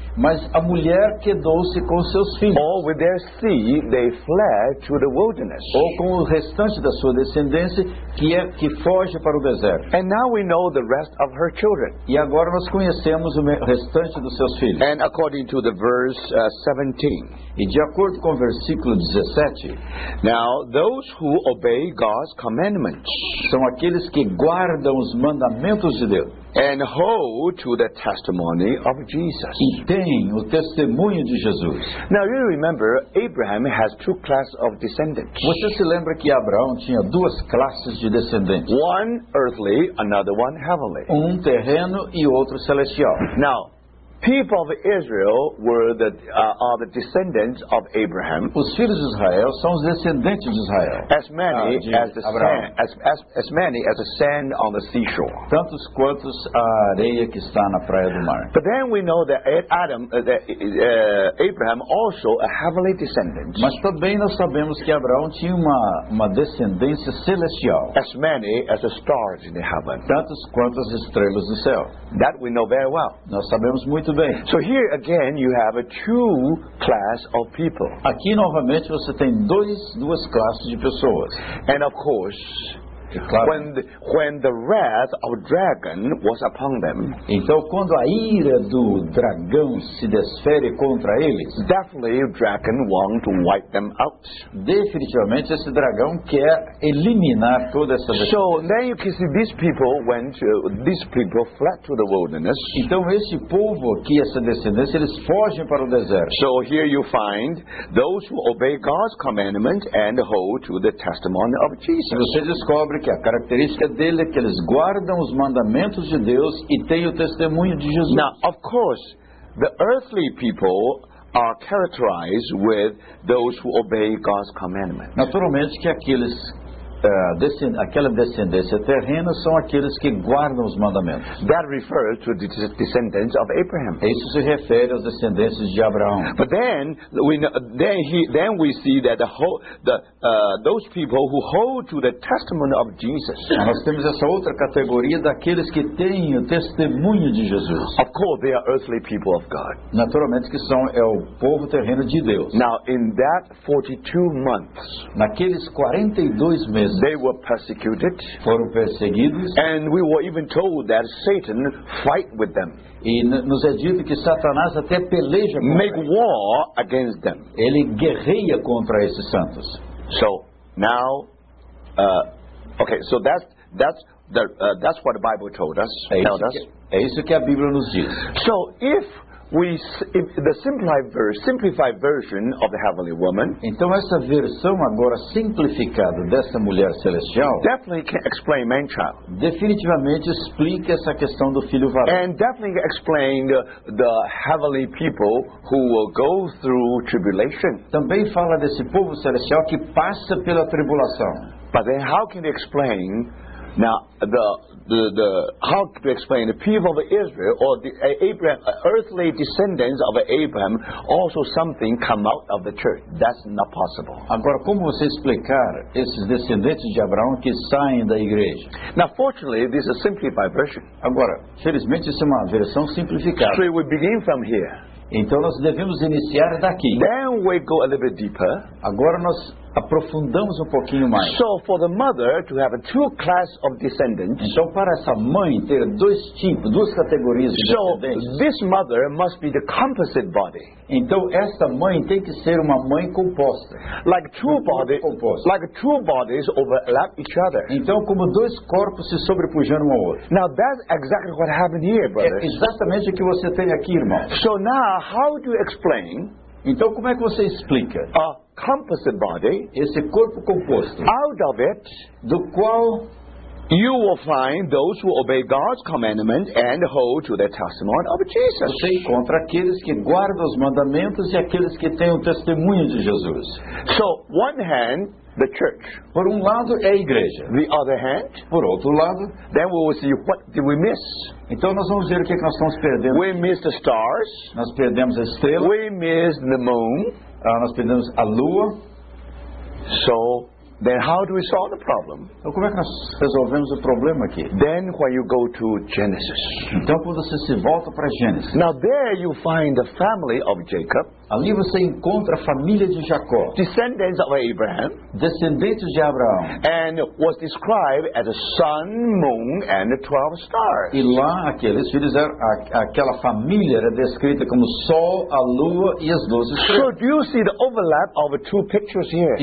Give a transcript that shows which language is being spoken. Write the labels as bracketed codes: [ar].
[pt] Mas a mulher quedou-se com seus filhos. [en] All with their seed, they fled to the wilderness. [pt] Ou com o restante da sua descendência que foge para o deserto. [en] And now we know the rest of her children. [pt] E agora nós conhecemos o restante dos seus filhos. [en] And according to the verse 17. [pt] E de acordo com o versículo 17. [en] Now those who obey God's commandments. [pt] São aqueles que guardam os mandamentos de Deus. [en] And hold to the testimony of Jesus. [pt] E tem o testemunho de Jesus. [en] Now you remember Abraham has two classes of descendants. [pt] Você se lembra que Abraão tinha duas classes de descendentes? [en] One earthly, another one heavenly. [pt] Um terreno e outro celestial. [en] Now, people of Israel were the are the descendants of Abraham. [pt] Os filhos de Israel são os descendentes de Israel. [en] As many as the Abraham. sand as many as the sand on the seashore. [pt] Tantos quantos a areia que está na praia do mar. [en] But then we know that Adam Abraham also a heavenly descendant. [pt] Mas também nós sabemos que Abraão tinha uma descendência celestial. [en] As many as the stars in the heaven. [pt] Tantos quantos estrelas no céu. [en] That we know very well. [pt] Nós sabemos muito bem. [en] So here again you have a two class of people. [pt] Aqui novamente você tem duas classes de pessoas. [en] And of course, [pt] claro, [en] when the wrath of dragon was upon them. [pt] Então quando a ira do dragão se desfere contra eles, [en] definitely dragon want to wipe them out. [pt] Definitivamente esse dragão quer eliminar toda essa gente. [en] So then you can see these people fled to the wilderness. [pt] Então esse povo aqui, essa descendência, eles fogem para o deserto. [en] So here you find those who obey God's commandment and hold to the testimony of Jesus. [pt] Você descobre que a característica dele é que eles guardam os mandamentos de Deus e têm o testemunho de Jesus. [en] Now, of course, the earthly people are characterized with those who obey God's commandment. [pt] Naturalmente que aquela descendência terrena são aqueles que guardam os mandamentos. [en] That refers to the descendants of Abraham. [pt] Isso se refere aos descendentes de Abraão. [en] But then we see that those people who hold to the testimony of Jesus. [pt] Nós temos essa outra categoria daqueles que têm o testemunho de Jesus. [en] Of course, they are earthly people of God. [pt] Naturalmente que são o povo terreno de Deus. [en] Now in that 42 months. [pt] Naqueles 42 meses. [en] They were persecuted. [pt] Foram perseguidos. [en] And we were even told that Satan fight with them. [pt] E nos é dito que Satanás até peleja com eles. [en] War against them. [pt] Ele guerreia contra esses santos. [en] So now, that's what the Bible told us. [pt] É isso que a Bíblia nos diz. [en] So if the simplified version of the heavenly woman. [pt] Então essa versão agora simplificada dessa mulher celestial. [en] Definitely can explain man child. [pt] Definitivamente explica essa questão do filho varão. [en] And definitely explain the heavenly people who will go through tribulation. [pt] Também fala desse povo celestial que passa pela tribulação. [en] But then how can they explain now the how to explain the people of Israel or the Abraham, earthly descendants of Abraham, also something come out of the church? That's not possible. [pt] Agora, como você explicar esses descendentes de Abraão que saem da igreja? [en] Now, fortunately, this is a simplified version. [pt] Agora, felizmente, isso é uma versão simplificada. [en] So we begin from here. [pt] Então, nós devemos iniciar daqui. [en] Then we go a little bit deeper. [pt] Agora, nós aprofundamos um pouquinho mais. [en] So for the mother to have a two class of descendants. [pt] Então para essa mãe ter dois tipos, duas categorias de descendentes. [en] So this mother must be the composite body. [pt] Então esta mãe tem que ser uma mãe composta. [en] Like two bodies, like two bodies overlap each other. [pt] Então como dois corpos se sobrepujando um ao outro. [en] Now that's exactly what happened here, brother. [pt] É exatamente o que você tem aqui, irmão. [en] So now how do you explain? [pt] Então como é que você explica? [en] Composite body, [pt] esse corpo composto, [en] out of it, [pt] do qual [en] you will find those who obey God's commandment and hold to the testimony of Jesus. [pt] Você encontra aqueles que guardam os mandamentos e aqueles que têm o testemunho de Jesus. [en] So, one hand, the church. [pt] Por um lado é a igreja. [en] The other hand, [pt] por outro lado, [en] then we will see what did we miss. [pt] Então nós vamos ver o que nós estamos perdendo. [en] We miss the stars. [pt] Nós perdemos a estrela. [en] We miss the moon. [pt] Nós perdemos a lua. [en] So Then how do we solve the problem? [pt] Então, como é que nós resolvemos o problema aqui? [en] Then when you go to Genesis. [pt] Então quando você se volta para Gênesis. [en] Now there you find the family of Jacob. [pt] Ali você encontra a família de Jacó. [en] Descendants of Abraham. [pt] Descendentes de Abraão. [en] And was described as a sun, moon, and the 12 stars. [pt] E lá aqueles filhos aquela família era descrita como sol, a lua e as 12 estrelas. [en] Should you see the overlap of the two pictures here?